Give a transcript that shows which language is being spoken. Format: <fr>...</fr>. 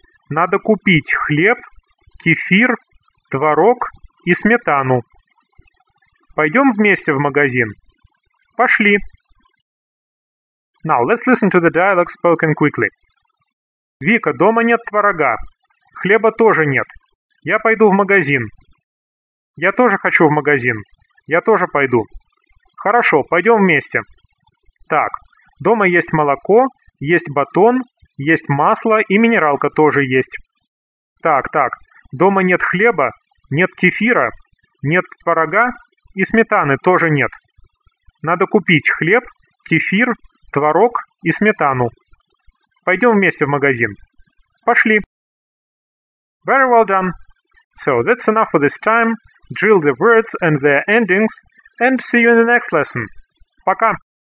<ru>Надо купить хлеб, кефир, творог и сметану. Пойдем вместе в магазин. Пошли.</ru> <en>Now, let's listen to the dialogue spoken quickly.</en> <ru>Вика, дома нет творога. Хлеба тоже нет. Я пойду в магазин. Я тоже хочу в магазин. Я тоже пойду. Хорошо, пойдем вместе. Так, дома есть молоко, есть батон, есть масло и минералка тоже есть. Так, так, дома нет хлеба, нет кефира, нет творога и сметаны тоже нет. Надо купить хлеб, кефир, творог и сметану. Пойдем вместе в магазин. Пошли.</ru> <en>Very well done. So that's enough for this time. Drill the words and their endings. And see you in the next lesson. Пока.</en>